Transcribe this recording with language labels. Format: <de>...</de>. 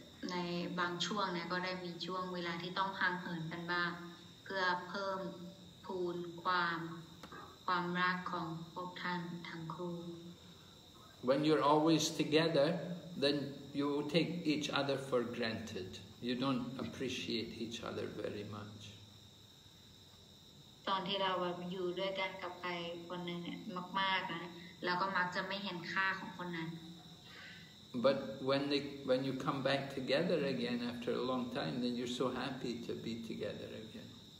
<th>ในบางช่วงเนี่ยก็ได้มีช่วงเวลาที่ต้องห่างเหินกันบ้างเพื่อเพิ่มพูนความรักของพวกท่านทั้งคู่</th> <en>When you're always together then you will take each other for granted you don't appreciate each other very much</en> <th>ตอนที่เราแบบอยู่ด้วยกันกับใครคนนึงเนี่ยมากๆนะเราก็มักจะไม่เห็นค่าของคนนั้น</th> <en>But when you come back together again after a long time, then you're so happy to be together again.</en>